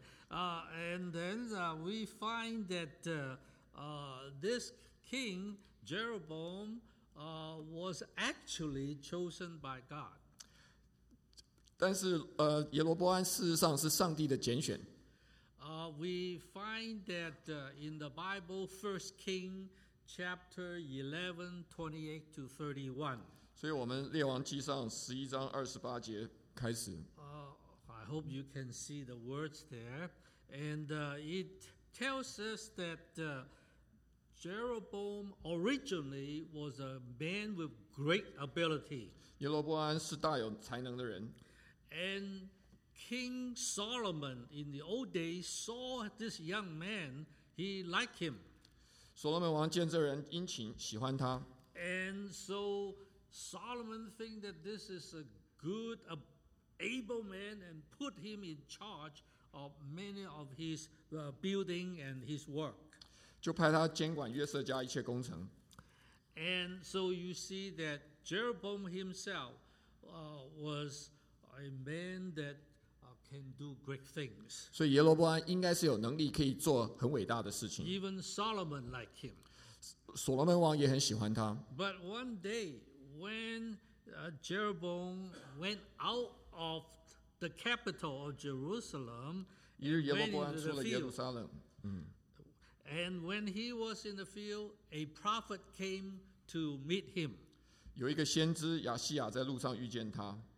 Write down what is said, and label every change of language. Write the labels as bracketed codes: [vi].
[en] And then we find that this king Jeroboam was actually chosen by God. [zh] 但是耶罗波安事实上是上帝的拣选。 [en] We find that in the Bible, 1 Kings chapter 11, 28 to 31. [zh] 所以我们列王记上11章28节开始。 [en] I hope you can see the words there. And it tells us that Jeroboam originally was a man with great ability. [zh] 耶罗波安是大有才能的人。 [en] And King Solomon in the old days saw this young man. He liked him. [zh] 所罗门王见这人殷勤，喜欢他。 [en] And so Solomon think that this is a good, able man, and put him in charge of many of his building and his work. [zh] 就派他监管约瑟家一切工程。 [en] And so you see that Jeroboam himself was. A man that can do great things. [zh] 所以耶罗波安应该是有能力可以做很伟大的事情。 [en] Even Solomon liked him. [zh] 所罗门王也很喜欢他。 [en] But one day, when Jeroboam went out of the capital of Jerusalem, [zh] 一日耶罗波安出了耶路撒冷。 [en] And when he was in the field, a prophet came to meet him. [zh] 有一个先知亚西亚在路上遇见他。